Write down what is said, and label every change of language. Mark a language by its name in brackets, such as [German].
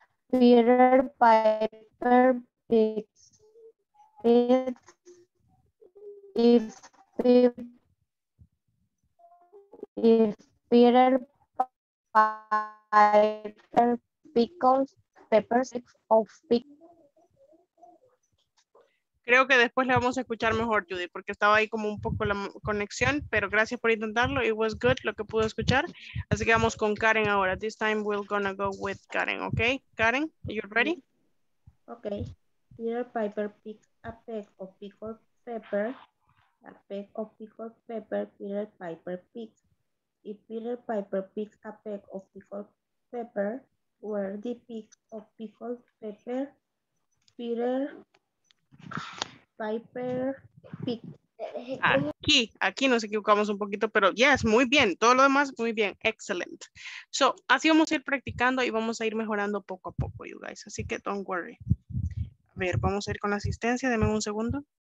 [English] Peter Piper picked if Peter Piper pickles peppers of pick. [Spanish] Creo que después le vamos a escuchar mejor, Judy, porque estaba ahí como un poco la conexión, pero gracias por intentarlo. [English] It was good [Spanish] lo que pudo escuchar. Así que vamos con Karen ahora. [English] This time we're gonna go with Karen, okay? Karen, are you ready? Okay. Peter Piper picked a peck of pickled pepper. A peck of pickled pepper, Peter Piper picked. If Peter Piper picked a peck of pickled pepper, where the peck of pickled pepper, Peter Piper picked. [Spanish] Aquí nos equivocamos un poquito, pero yes, muy bien, todo lo demás muy bien, excellent. So, así vamos a ir practicando y vamos a ir mejorando poco a poco, [English] you guys, [Spanish] así que [English] don't worry. [Spanish] A ver, vamos a ir con la asistencia, denme un segundo.